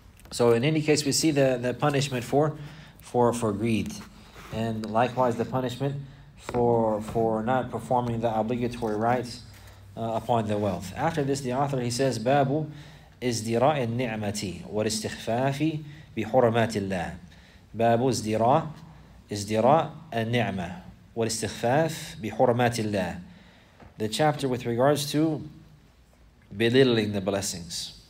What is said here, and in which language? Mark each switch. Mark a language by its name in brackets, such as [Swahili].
[English] So in any case, we see the punishment for greed. And likewise, the punishment for not performing the obligatory rites upon the wealth. After this, the author, he says, "Babu [Arabic] ازدراء النعمة والاستخفاف بحرمات الله." باب ازدراء النعمة والاستخفاف بحرمات الله. [English] The chapter with regards to belittling the blessings.